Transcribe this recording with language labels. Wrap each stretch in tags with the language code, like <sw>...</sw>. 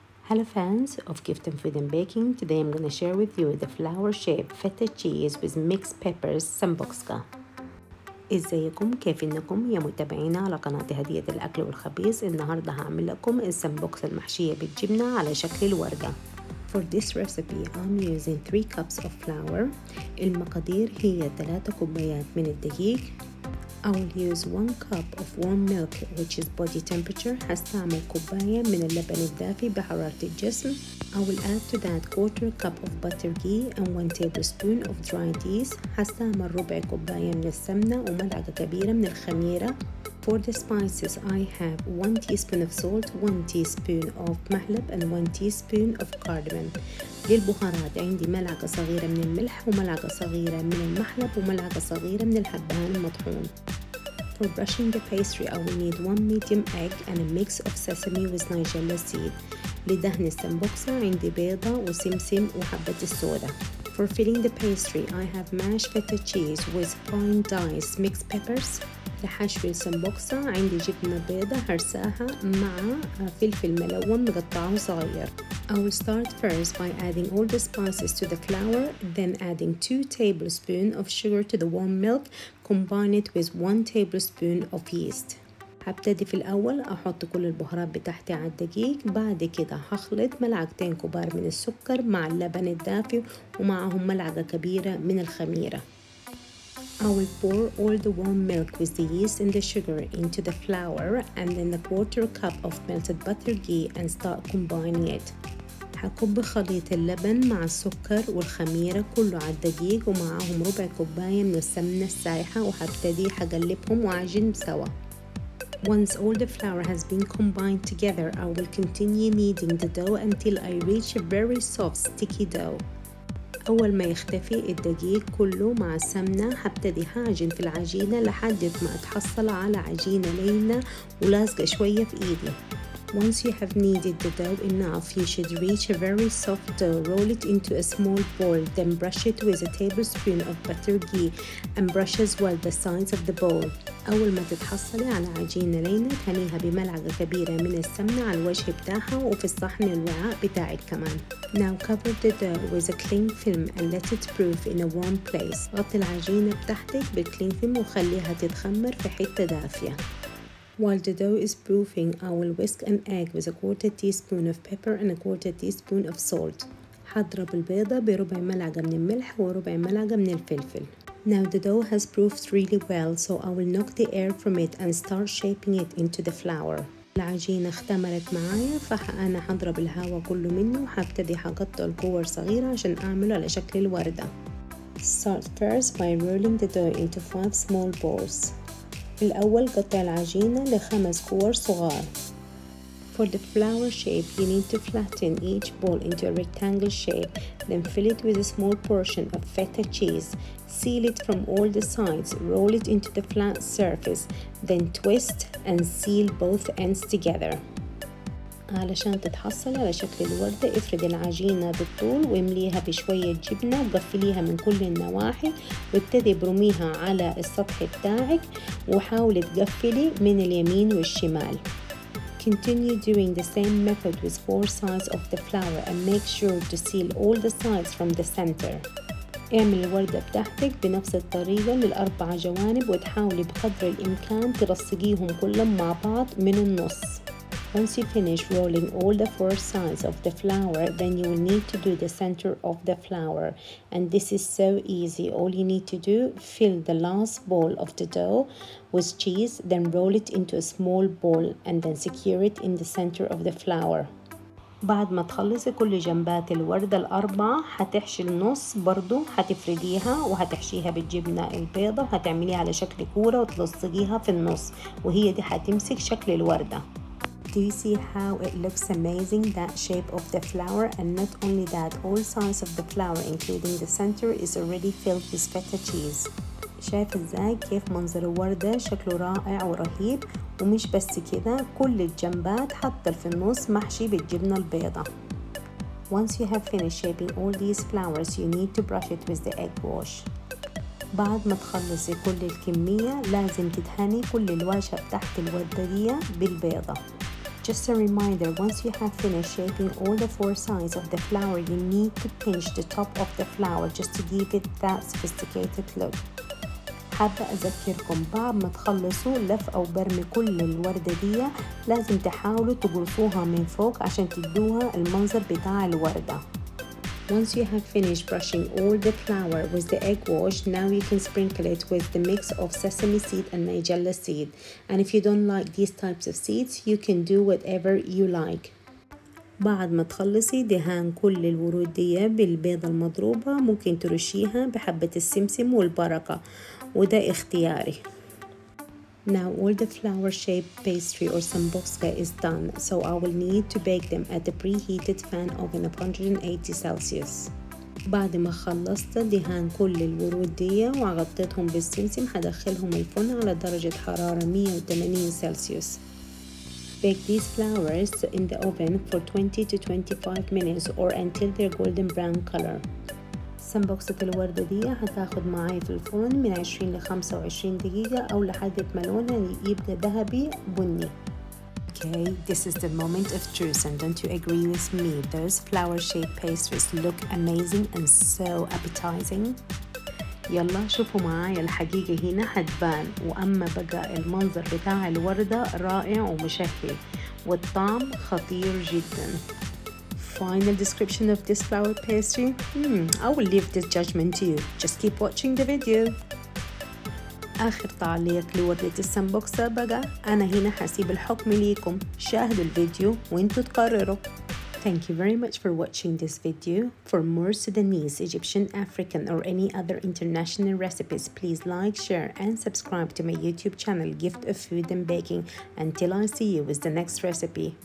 <en>Hello fans of Gift and Food and Baking. Today I'm going to share with you the flower-shaped feta cheese with mixed peppers sambuksa.</en> <ar>ازيكم؟ كيف انكم يا متابعينا على قناة هدية الأكل والخبيز؟ النهاردة هعمل لكم السامبوكس المحشية بالجبنة على شكل الوردة.</ar> <en>For this recipe, I'm using 3 cups of flour.</en> <ar>المقادير هي 3 كوبايات من الدقيق.</ar> <en>I will use 1 cup of warm milk, which is body temperature.</en> <ar>هستعمل كوباية من اللبن الدافي بحرارة الجسم.</ar> <en>I will add to that 1/4 cup of butter ghee and 1 tablespoon of dried yeast.</en> <ar>هستعمل ربع كوباية من السمنة وملعقة كبيرة من الخميرة.</ar> <en>For the spices, I have 1 teaspoon of salt, 1 teaspoon of Mahelb, and 1 teaspoon of cardamom.</en> <ar>للبهارات عندي ملعقة صغيرة من الملح وملعقة صغيرة من المحلب وملعقة صغيرة من الحبهان المطحون.</ar> <en>For brushing the pastry, I will need 1 medium egg and a mix of sesame with nigella seed.</en> <ar>لدهن السمبوكسة عندي بيضة وسمسم وحبة السودة.</ar> <en>For filling the pastry, I have mashed feta cheese with fine diced mixed peppers.</en> <ar>لحشو السمبوكسة عندي جبنة بيضة هرساها مع فلفل ملون مقطعه صغير.</ar> <en>I will start first by adding all the spices to the flour, then adding 2 tablespoons of sugar to the warm milk, combine it with 1 tablespoon of yeast.</en> <ar>هبتدي في الأول أحط كل البهارات بتاعتي على الدقيق، بعد كده هخلط ملعقتين كبار من السكر مع اللبن الدافي ومعهم ملعقة كبيرة من الخميرة.</ar> <en>I will pour all the warm milk with the yeast and the sugar into the flour and then 1/4 cup of melted butter ghee and start combining it.</en> <ar>هكب خليط اللبن مع السكر والخميرة كله على الدقيق ومعهم ربع كوباية من السمنة السايحة وهبتدي هقلبهم وأعجن سوا.</ar> <en>Once all the flour has been combined together, I will continue kneading the dough until I reach a very soft sticky dough.</en> <ar>أول ما يختفي الدقيق كله مع السمنة هبتدي هعجن في العجينة لحد ما أتحصل على عجينة لينة ولازقة شوية في إيدي.</ar> <en>Once you have kneaded the dough enough, you should reach a very soft dough. Roll it into a small ball, then brush it with a tablespoon of butter ghee and brush as well the sides of the bowl.</en> <ar>أول ما تتحصلي على عجينة لينة هنيها بملعقة كبيرة من السمنة على الوجه بتاعها وفي الصحن الوعاء بتاعك كمان.</ar> <en>Now cover the dough with a clean film and let it proof in a warm place.</en> <ar>غطي العجينة بتاعتك بالكلين فيلم وخليها تتخمر في حتة دافية.</ar> <en>While the dough is proofing, I will whisk an egg with 1/4 teaspoon of pepper and 1/4 teaspoon of salt.</en> <ar>هضرب البيضة بربع ملعقة من الملح وربع ملعقة من الفلفل.</ar> <en>Now the dough has proofed really well, so I will knock the air from it and start shaping it into the flour.</en> <ar>العجينة اختمرت معايا فأنا هضرب الهواء كله منه وهبتدي هقطع الكور صغيرة عشان أعمله على شكل الوردة.</ar> <en>Start first by rolling the dough into 5 small balls.</en> <ar>الأول قطع العجينة لخمس كور صغار.</ar> <en>For the flower shape, you need to flatten each ball into a rectangle shape, then fill it with a small portion of feta cheese. Seal it from all the sides, roll it into the flat surface, then twist and seal both ends together.</en> <ar>علشان تتحصل على شكل الوردة افرد العجينة بالطول وامليها بشوية جبنة وقفليها من كل النواحي وابتدي برميها على السطح بتاعك وحاولي تقفلي من اليمين والشمال.</ar> <en>Continue doing the same method with 4 sides of the flower and make sure to seal all the sides from the center.</en> <ar>اعمل الوردة بتاعتك بنفس الطريقة للأربع جوانب وتحاولي بقدر الإمكان تلصقيهم كلهم مع بعض من النص.</ar> <en>Once you finish rolling all the 4 sides of the flour, then you will need to do the center of the flour. And this is so easy. All you need to do, fill the last ball of the dough with cheese, then roll it into a small ball, and then secure it in the center of the flour.</en> <ar>بعد ما تخلصي كل جنبات الوردة الأربعة هتحشي النص برضو هتفرديها وهتحشيها بالجبنة البيضة وهتعمليها على شكل كورة وتلصقيها في النص وهي دي هتمسك شكل الوردة.</ar> <en>Do you see how it looks amazing, that shape of the flower? And not only that, all sides of the flower, including the center, is already filled with feta cheese.</en> <ar>شايف ازاي كيف منظر الوردة شكله رائع ورهيب ومش بس كده كل الجنبات حتى في النص محشي بالجبنة البيضة.</ar> <en>Once you have finished shaping all these flowers, you need to brush it with the egg wash.</en> <ar>بعد ما تخلصي كل الكمية لازم تدهني كل الواشة تحت الوردة دي بالبيضة.</ar> <en>Just a reminder, once you have finished shaping all the four sides of the flour, you need to pinch the top of the flour just to give it that sophisticated look.</en> <ar>حابة أذكركم بعد ما تخلصوا لف أو برمي كل الوردة دي لازم تحاولوا تقرصوها من فوق عشان تدوها المنظر بتاع الوردة.</ar> <en>Once you have finished brushing all the flour with the egg wash, now you can sprinkle it with the mix of sesame seed and nigella seed. And if you don't like these types of seeds, you can do whatever you like.</en> <ar>بعد ما تخلصي دهان كل الورود دي بالبيضة المضروبة ممكن ترشيها بحبة السمسم والبركة وده اختياري.</ar> <en>Now all the flower-shaped pastry or sambuska is done, so I will need to bake them at the preheated fan oven of 180 Celsius.</en> <ar>بعد ما خلصت دهان كل الورود دي وغطيتهم بالسمسم هدخلهم الفرن على درجة حرارة 180 Celsius.</ar> <en>Bake these flowers in the oven for 20 to 25 minutes or until their golden brown color.</en> <ar>سمبوكسة الوردة دي هتاخد معاي في الفرن من 20 ل 25 دقيقة أو لحد ما لونها يبدأ ذهبي بني.</ar> <en>Okay, this is the moment of truth, and don't you agree with me? Those flower-shaped pastries look amazing and so appetizing.</en> <ar>يلا شوفوا معايا الحقيقة هنا هتبان، وأما بقى المنظر بتاع الوردة رائع ومشهي والطعم خطير جدا.</ar> <en>Final description of this flower pastry? I will leave this judgment to you. Just keep watching the video.</en> <ar>آخر تعليق لوردة السمبوكسة بقى، أنا هنا هسيب الحكم ليكم، شاهدوا الفيديو وانتوا تقرروا.</ar> <en>Thank you very much for watching this video. For more Sudanese, Egyptian, African, or any other international recipes, please like, share, and subscribe to my YouTube channel, Gift of Food and Baking. Until I see you with the next recipe.</en>